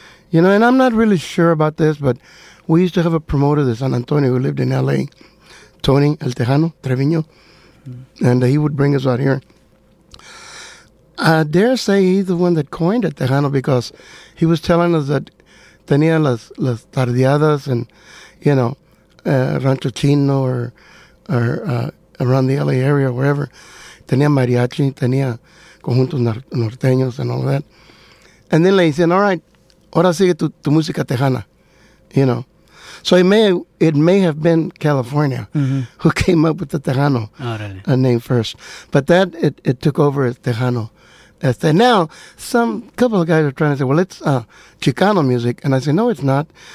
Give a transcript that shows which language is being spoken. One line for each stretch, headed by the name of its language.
English: You know, and I'm not really sure about this, but we used to have a promoter, the San Antonio, who lived in L.A., Tony, El Tejano, Treviño, and he would bring us out here. I dare say he's the one that coined it, Tejano, because he was telling us that
Spanish: tenía las tardeadas
English: and, you know, Rancho Chino or around the L.A. area or wherever.
Spanish: Tenía mariachi, tenía conjuntos norteños
English: and all that. And then they said, all right,
Spanish: ahora sigue tu música tejana,
English: you know. So it may have been California who came up with the Tejano name first. But that, it took over as Tejano. Now, some couple of guys are trying to say, well, it's Chicano music. And I say, no, it's not.